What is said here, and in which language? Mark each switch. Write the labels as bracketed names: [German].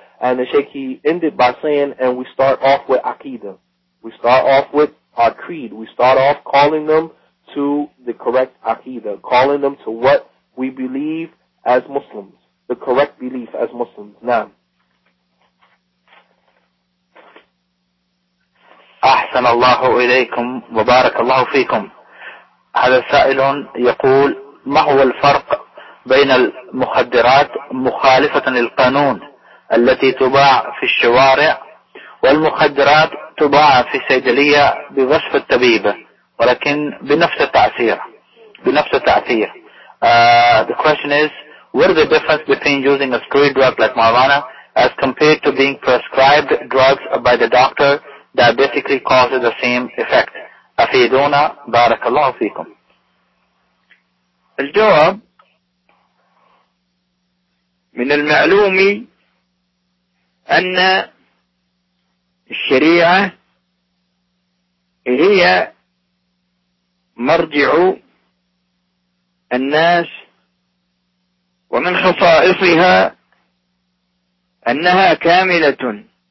[English] And the Sheikh, he ended by saying, and we start off with Aqidah. We start off with our creed. We start off calling them to the correct Aqidah, calling them to what we believe as Muslims, the correct belief as Muslims. Now, [Arabic] أحسن الله إليكم وبارك الله فيكم. هذا السائل يقول ما هو الفرق بين المخدرات مخالفة للقانون التي تباع في الشوارع والمخدرات تباع في صيدلية بوصف الطبيب ولكن بنفس التأثير بنفس التأثير. [English] The question is, what is the difference between using a street drug like marijuana as compared to being prescribed drugs by the doctor that basically causes the same effect. [Arabic] أفيدونا بارك الله فيكم. الجواب من المعلوم أن الشريعة هي مرجع الناس ومن خصائصها أنها كاملة